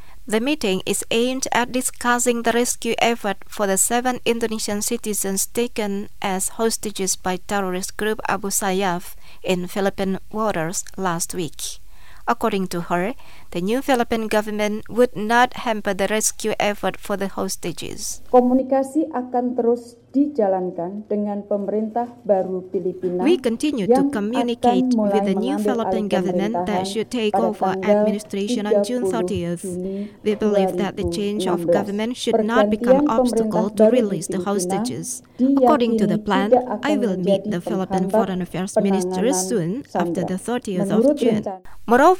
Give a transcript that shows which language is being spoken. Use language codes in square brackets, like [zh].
[en] The meeting is aimed at discussing the rescue effort for the 7 Indonesian citizens taken as hostages by terrorist group Abu Sayyaf in Philippine waters last week. According to her, the new Philippine government would not hamper the rescue effort for the hostages. [id] Komunikasi akan terus dijalankan dengan pemerintah baru Filipina. [en] We continue to communicate with the new Philippine government that should take over administration on June 30th. We believe that the change of government should not become an obstacle to release the hostages. According to the plan, I will meet the Philippine Foreign Affairs Minister soon after the 30th of June. Moreover,